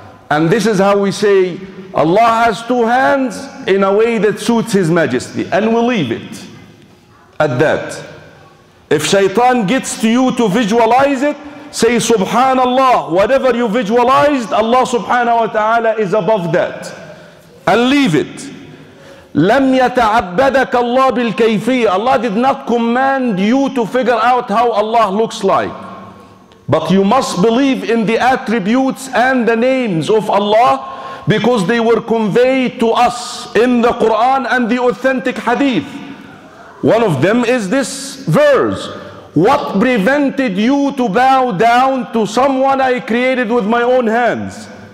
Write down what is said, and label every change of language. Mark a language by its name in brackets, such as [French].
[English] And this is how we say, Allah has two hands in a way that suits His Majesty. And we leave it at that. If shaitan gets to you to visualize it, say subhanallah. Whatever you visualized, Allah subhanahu wa ta'ala is above that. And leave it. [Arabic] لم يتعبدك الله بالكيفية. [English] Allah did not command you to figure out how Allah looks like. But you must believe in the attributes and the names of Allah, because they were conveyed to us in the Quran and the authentic hadith. One of them is this verse. What prevented you to bow down to someone I created with my own hands?